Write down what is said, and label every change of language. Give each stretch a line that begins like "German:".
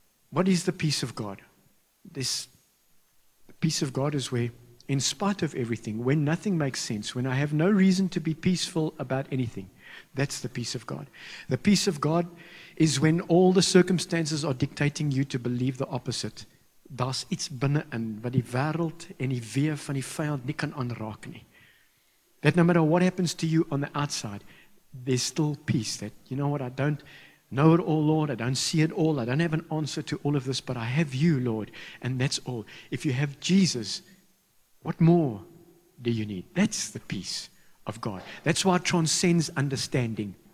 English: What is the peace of God? This peace of God is where, in spite of everything, when nothing makes sense, when I have no reason to be peaceful about anything, that's the peace of God. The peace of God is when all the circumstances are dictating you to believe the opposite.
Afrikaans: Daar's iets binne in wat die wêreld en die weë van die vyand nie kan aanraak nie.
English: That no matter what happens to you on the outside, there's still peace. That, you know what, I don't know it all, Lord. I don't see it all. I don't have an answer to all of this, but I have you, Lord, and that's all. If you have Jesus, what more do you need? That's the peace of God. That's why it transcends understanding.